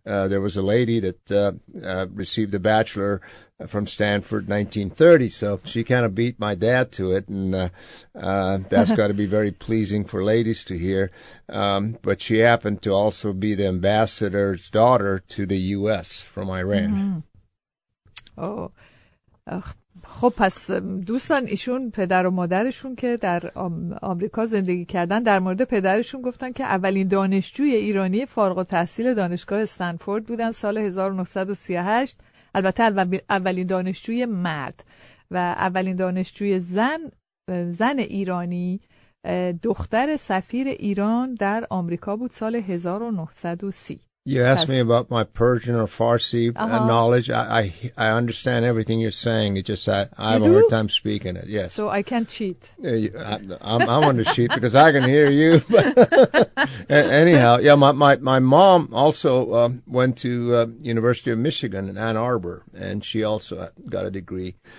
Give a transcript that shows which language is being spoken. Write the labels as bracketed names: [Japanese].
[English] There was a lady that received a bachelor from Stanford 1930. So she kind of beat my dad to it. And that's got to be very pleasing for ladies to hear. But she happened to also be the ambassador's daughter to the U.S. from Iran. Mm-hmm. [Persian] Oh, خب پس دوستان ایشون پدر و مادرشون که در آمریکا زندگی کردن، در مورد پدرشون گفتن که اولین دانشجوی ایرانی فارغ التحصیل دانشگاه استنفورد بودن سال 1938، البته اولین دانشجوی مرد، و اولین دانشجوی زن ایرانی دختر سفیر ایران در آمریکا بود سال 1930. [English] You asked me about my Persian or Farsi knowledge. I understand everything you're saying. It's just I have a hard time speaking it. Yes. So I can't cheat. I'm going to cheat because I can hear you. Anyhow, yeah, my mom also went to University of Michigan in Ann Arbor, and she also got a degree.